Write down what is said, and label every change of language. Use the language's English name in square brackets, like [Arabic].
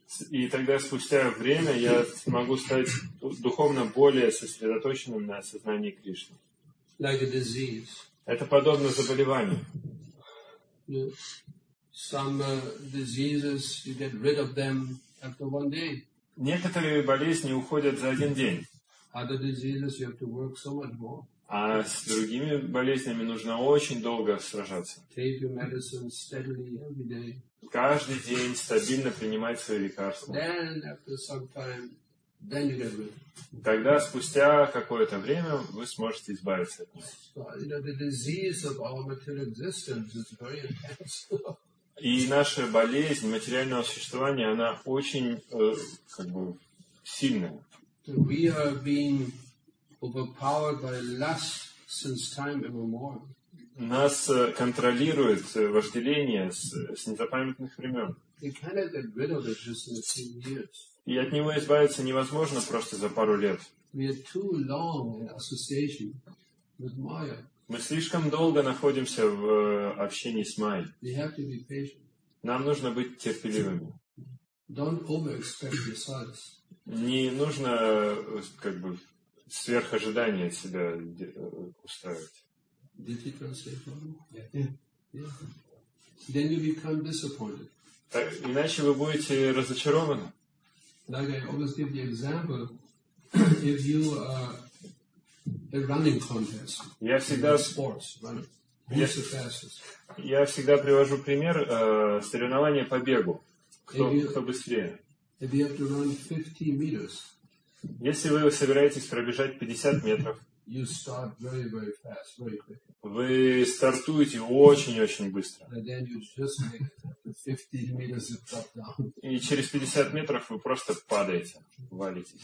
[Russian] И тогда спустя время я смогу стать духовно более сосредоточенным на сознании Кришны. [English] Like a disease. [Russian] Это подобно заболеванию. [English] Some diseases you get rid of them after one day. [Russian] Некоторые болезни уходят за один день. [English] Other diseases you have to work so much more. [Russian] А с другими болезнями нужно очень долго сражаться. [English] Take your medicine steadily every day. [Russian] Каждый день стабильно принимать свои лекарства. [English] Then after some time, then you get rid. [Russian] Тогда спустя какое-то время вы сможете избавиться от них. [English] So, you know, the disease of our material existence is very intense. [Russian] И наша болезнь материального существования, она очень как бы сильная. [English] So we are being overpowered by lust since time immemorial. [Russian] Нас контролирует вожделение с незапамятных времен. [English] You cannot get rid of it just in a few years. [Russian] И от него избавиться невозможно просто за пару лет. [English] We are too long in association with Maya. [Russian] Мы слишком долго находимся в общении с Майей. [English] We have to be patient. [Russian] Нам нужно быть терпеливыми. [English] Don't overexpect yourselves. [Russian] Не нужно как бы сверхожидания от себя устраивать. [English] Did you translate for me? Yeah. Then you become disappointed. [Russian] Так, иначе вы будете разочарованы. [English] Like I always give the example, if you are a running contest, [Russian] я всегда, [English] in sports, who's the fastest? [Russian] Я всегда привожу пример соревнования по бегу. Кто быстрее? [English] If you have to run 50 meters, [Russian] если вы собираетесь пробежать 50 метров, [English] you start very, very fast, very quickly. [Russian] Вы стартуете очень-очень быстро. И через 50 метров вы просто падаете, валитесь.